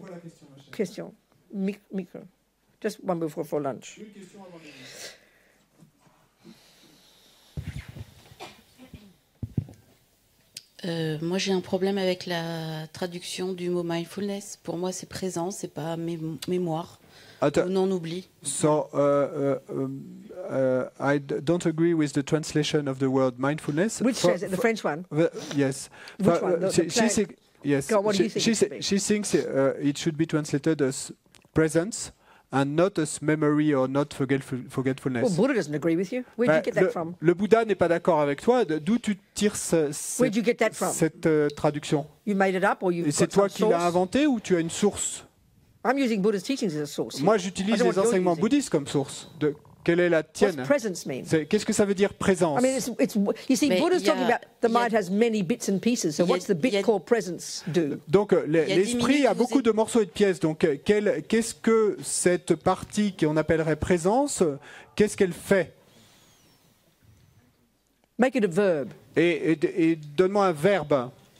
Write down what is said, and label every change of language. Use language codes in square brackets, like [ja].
[fr] C'est quoi la question, ma chère? [en] Question. Micro. Just one before for lunch. [fr] Une question avant les deux. Moi, j'ai un problème avec la traduction du mot mindfulness. Pour moi, c'est présent, c'est pas mémoire. Attends. Ou non-oubli. [en] So, I don't agree with the translation of the word mindfulness. Which says it? The French one? Yes. Which one? She thinks it should be translated as presence and not as memory or not forgetfulness. Well, Buddha doesn't agree with you. Where did you get that from? [fr] Le Bouddha n'est pas d'accord avec toi. D'où tu tires cette traduction? [en] You made it up or you've got [fr] c'est toi qui l'as inventé ou tu as une source? [en] I'm using Buddha's teachings as a source. [fr] Moi, j'utilise les enseignements bouddhistes comme source. Quelle est la tienne? [en] What's presence mean? [fr] Qu'est-ce que ça veut dire présence? [en] I mean, you see, Buddha's talking about the mind has many bits and pieces. So what's the bit called presence do? [fr] Donc l'esprit a beaucoup de morceaux et de pièces. Donc qu'est-ce que cette partie qu'on appellerait présence, qu'est-ce qu'elle fait? [en] Make it a verb. [fr] Et donne-moi un verbe.